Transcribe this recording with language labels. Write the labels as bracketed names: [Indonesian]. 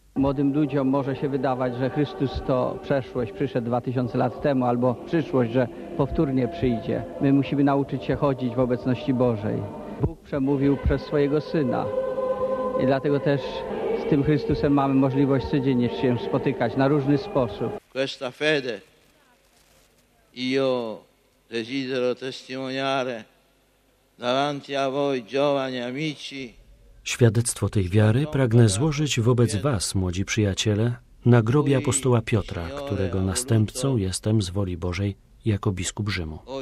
[Polish] Młodym ludziom może się wydawać, że Chrystus to przeszłość, przyszedł 2000 lat temu, albo przyszłość, że powtórnie przyjdzie. My musimy nauczyć się chodzić w obecności Bożej. Bóg przemówił przez swojego Syna i dlatego też z tym Chrystusem mamy możliwość codziennie się spotykać na różny sposób. [Italian] Questa fede io desidero testimoniare davanti a voi, giovani amici. [Polish] Świadectwo tej wiary pragnę złożyć wobec was, młodzi przyjaciele, na grobie apostoła Piotra, którego następcą jestem z woli Bożej jako biskup Rzymu.